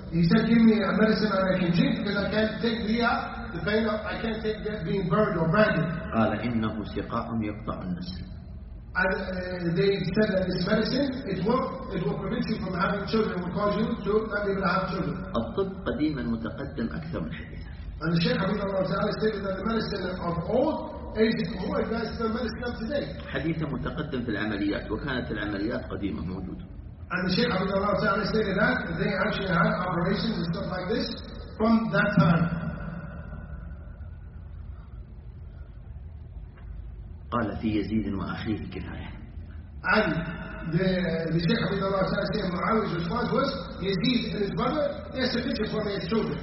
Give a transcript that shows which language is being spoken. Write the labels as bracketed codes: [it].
[en] He said, give me a medicine and I can drink because I can't take the pain of, I can't take that being burned or branded. [ar] قال إنه سقاء يقطع النسل. [en] And they said that this medicine, it will prevent you from having children, will cause you to not be able to have children. [ar] الطب قديما متقدم أكثر من حديث. [en] And the Shaykh Abu Dawud Al-Sa'ali stated that the medicine of old is more advanced than medicine of today. [ar] حديث متقدم في العمليات وكانت العمليات قديمة موجودة. [en] And the Shaykh Abu Dawud Al-Sa'ali stated that they actually had operations and stuff like this from that time. [ar] قال في يزيد وأخيه كفاية. [en] And the Shaykh Abu Dawud Al-Sa'ali said Muawiyah's response was Yazid and his brother, they are sufficient for their children.